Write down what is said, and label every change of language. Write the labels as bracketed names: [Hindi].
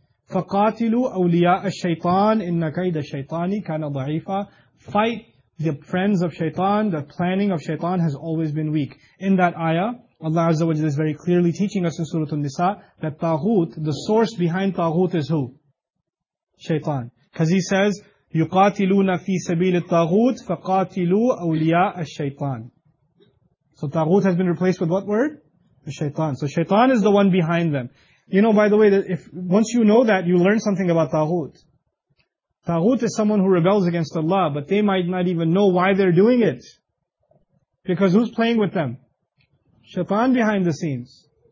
[Arabic] فَقَاتِلُوا أَوْلِيَاءَ الشَّيْطَانِ إِنَّ كَيْدَ الشَّيْطَانِ كَانَ ضَعِيفًا. [English] Fight the friends of shaitan. The planning of shaitan has always been weak. In that ayah, Allah Azza wa Jalla is very clearly teaching us in Surah An-Nisa that طاغوت, the source behind طاغوت is who? Shaitan. Because he says, [Arabic] يُقَاتِلُونَ فِي سَبِيلِ الطَّاغُوتِ فَقَاتِلُوا أَوْلِيَاءَ الشَّيْطَانِ. [English] So طاغوت has been replaced with what word? Shaitan. So shaitan is the one behind them. You know, by the way, if once you know that, you learn something about طاغوت. طاغوت is someone who rebels against Allah, but they might not even know why they're doing it. Because who's playing with them? Shaitan behind the scenes.